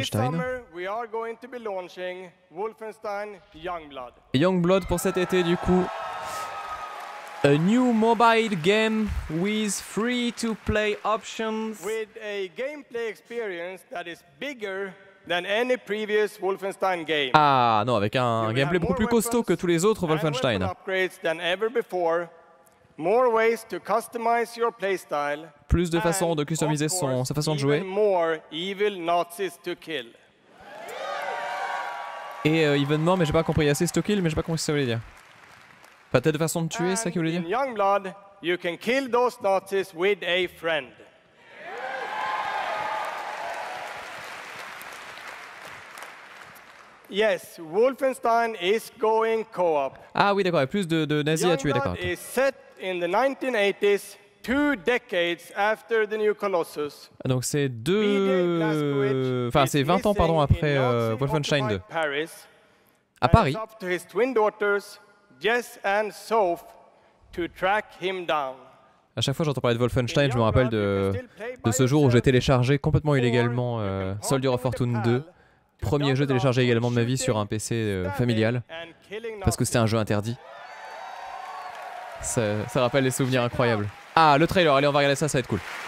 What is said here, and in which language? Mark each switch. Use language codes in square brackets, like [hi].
[en] This summer, we are going to be launching Wolfenstein Youngblood. [fr] Youngblood pour cet été du coup. [en] A new mobile game with free to play options. With a gameplay experience that is bigger than any previous Wolfenstein game. [fr] Ah non, avec un gameplay beaucoup plus costaud que tous les autres Wolfenstein. [en] Upgrades than ever before. More ways to customize your playstyle. [fr] Plus de façons de customiser sa façon de jouer. [en] More evil Nazis to kill. [fr] Et [en] even more, [fr] mais j'ai pas compris. [en] Assist to kill, [fr] mais j'ai pas compris ce que ça voulait dire. Enfin, peut-être de façon de tuer, c'est ça qu'il voulait dire. [en] In Youngblood, you can kill those Nazis with a friend. Yes, Wolfenstein is going co-op. [fr] Ah oui, d'accord. Et plus de nazis à tuer, d'accord. [en] Youngblood is set in the 1980s. Two decades after the new Colossus. [fr] Donc c'est deux... Enfin, c'est 20 ans, pardon, après Wolfenstein 2. [en] Paris. [fr] À Paris. [en] And to his twin daughters, Jess and Soph, to track him down. [fr] À chaque fois j'entends parler de Wolfenstein, je me rappelle de ce jour où j'ai téléchargé complètement illégalement Soldier of Fortune 2. Premier jeu téléchargé également de ma vie sur un PC familial. Parce que c'était un jeu interdit. Ça rappelle des souvenirs incroyables. Ah, le trailer, allez, on va regarder ça, ça va être cool.